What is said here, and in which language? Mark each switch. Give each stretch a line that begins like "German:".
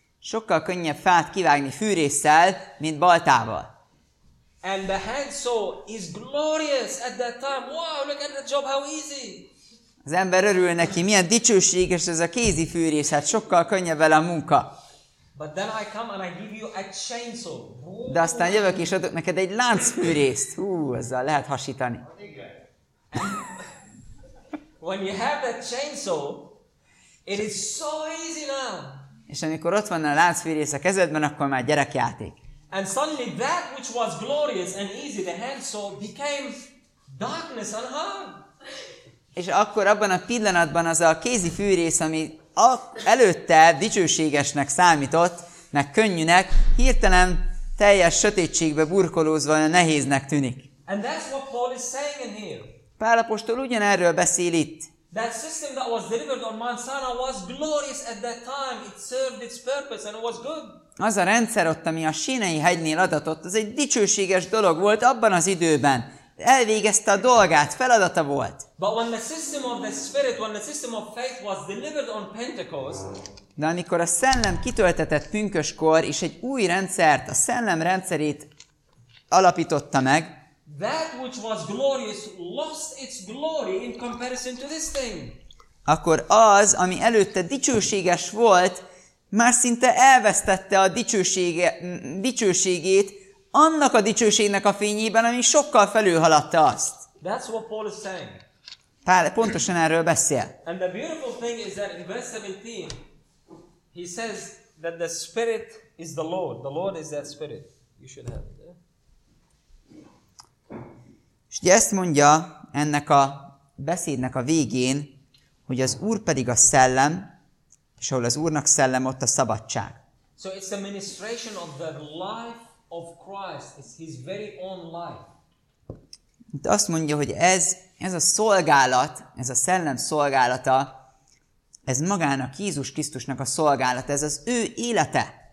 Hungarian: Sokkal könnyebb fát kivágni fűrésszel, mint baltával.
English: And the hand saw is glorious at that time. Wow, look at the job, how easy.
Hungarian: Az ember örül neki, milyen dicsőséges ez a kézi fűrész, hát sokkal könnyebb vele a munka.
English: But then I come and I give you a chainsaw.
Hungarian: De aztán jövök és adok neked egy láncfűrészt. Ezzel lehet hasítani.
English: When you have that chainsaw, it is so easy now.
Hungarian: És amikor ott van a láncfűrész a kezedben, akkor már gyerekjáték.
English: And suddenly that which was glorious and easy, the handsaw, became darkness and harm.
Hungarian: És akkor abban a pillanatban az a kézi fűrész, ami előtte dicsőségesnek számított, meg könnyűnek, hirtelen teljes sötétségbe burkolózva nehéznek tűnik.
English: And that's what Paul is saying in here.
Hungarian: Pál apostol ugyanerről beszél itt.
English: That system that was delivered on Mount Sinai was glorious at that time. It served its purpose and it was good.
Hungarian: Az a rendszer ott, ami a Sínei hegynél adatott, az egy dicsőséges dolog volt abban az időben. Elvégezte a dolgát, feladata volt.
English: But when the system of the Spirit, when the system of faith was delivered on Pentecost,
Hungarian: de amikor a Szellem kitöltetett pünköskor, és egy új rendszert, a Szellem rendszerét alapította meg,
English: that which was glorious lost its glory in comparison to this thing.
Hungarian: Akkor az, ami előtte dicsőséges volt, már szinte elvesztette a dicsőségét annak a dicsőségnek a fényében, ami sokkal felülhaladta azt.
English: That's what Paul is saying.
Hungarian: Pál pontosan erről beszél.
English: And the beautiful thing is that in verse 17 he says that the Spirit is the Lord. The Lord is that Spirit. You should have it.
Hungarian: És ezt mondja ennek a beszédnek a végén, hogy az Úr pedig a Szellem, és ahol az Úrnak Szellem, ott a szabadság.
English: So it's the ministration of the life of Christ, it's his very own life.
Hungarian: Itt azt mondja, hogy ez a szolgálat, ez a Szellem szolgálata, ez magának Jézus Krisztusnak a szolgálata, ez az ő élete.